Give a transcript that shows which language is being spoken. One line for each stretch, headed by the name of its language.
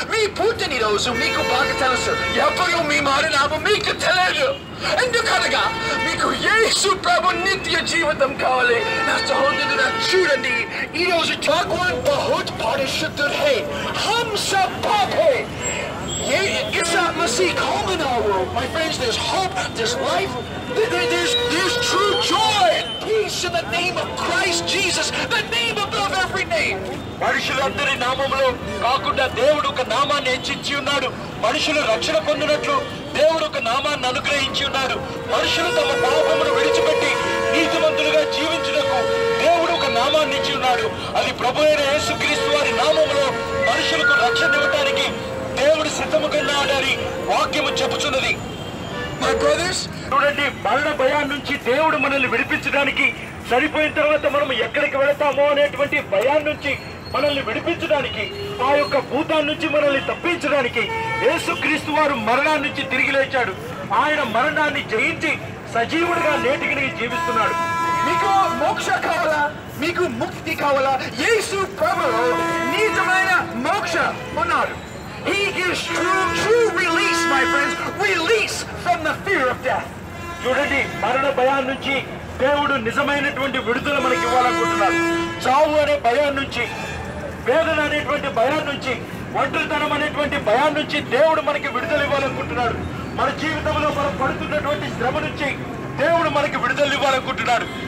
Telugu: మీ పుట్టిన రోజు మీకు బాగా తెలుసు, ఎప్పుడు మీ మారినామో మీకు తెలియదు. ఎందుకనగా మీకు యేసు ప్రభు నిత్య జీవితం కావాలి. నా సహోదరులారా చూడండి, ఈ రోజు
Hindi: భగవాన్ బహుత్ పరిశుద్ధు హే హమ్ sub pop hey.
English: It's that Messiah home in our world. My friends, there's hope, there's life, there's true joy and peace in the name of Christ Jesus, the name above every name.
Telugu: మనుషులందరి నామములో కాకుండా దేవుడు ఒక నామాన్ని హెచ్చించి ఉన్నాడు. మనుషులు రక్షణ పొందినట్లు దేవుడు ఒక నామాన్ని అనుగ్రహించి ఉన్నాడు. మనుషులు తమ పాపమును విడిచిపెట్టి నీతిమంతులుగా జీవించినకు దేవుడు ఒక నామాన్ని ఇచ్చి ఉన్నాడు. అది ప్రభు అయిన యేసుక్రీస్తు వారి నామములో మనుషులకు రక్షణ ఇవ్వడానికి దేవుడు సిద్ధముకున్నాడని వాక్యము చెబుతున్నది. చూడండి, మరణ భయం నుంచి దేవుడు మనల్ని విడిపించడానికి, చనిపోయిన తర్వాత మనం ఎక్కడికి వెళతామో అనేటువంటి భయం నుంచి మనల్ని విడిపించడానికి, ఆ యొక్క భూతాన్ని నుంచి మనల్ని తప్పించడానికి యేసుక్రీస్తు వారు మరణాన్ని నుంచి తిరిగి లేచాడు. ఆయన మరణాన్ని జయించి సజీవుడిగా నేటికి జీవిస్తున్నాడు. మీకు మోక్ష కావాలా, మీకు ముక్తి కావాలా, యేసు ప్రభువులో నిజమైన మోక్ష ఉన్నారు.
English: He gives true release, my friends, release from the fear of death.
Telugu: చూడండి, మరణ భయం నుంచి దేవుడు నిజమైనటువంటి విడుదల మనకి ఇవ్వాలనుకుంటున్నాడు. చావు అనే భయం నుంచి, వేదన అనేటువంటి భయం నుంచి, ఒంటరితనం అనేటువంటి భయం నుంచి దేవుడు మనకి విడుదల ఇవ్వాలనుకుంటున్నాడు. మన జీవితంలో మనం పడుతున్నటువంటి శ్రమ నుంచి దేవుడు మనకి విడుదల ఇవ్వాలనుకుంటున్నాడు.